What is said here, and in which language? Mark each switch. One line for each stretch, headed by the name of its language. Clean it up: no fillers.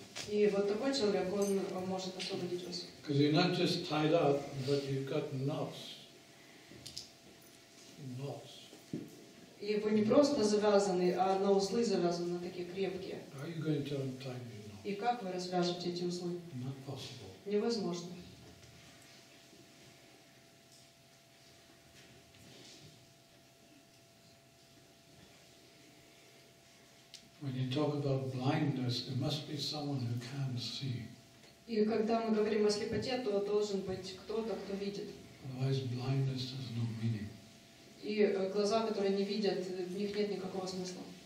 Russian: И вот такой человек, он может освободить вас.
English: Because you're not just tied up, but you've got knots. Knots.
Russian: И вы не просто завязаны, а на узлы завязаны, такие крепкие.
English: How are you going to untie your knots?
Russian: И как вы развяжете эти узлы?
English: Not possible.
Russian: Невозможно.
English: talk about blindness, there must be someone who can see.
Russian: И когда мы говорим о слепоте, то должен быть кто-то, кто видит.
English: Otherwise, blindness has no meaning.
Russian: И глаза, которые не видят, в них нет никакого смысла.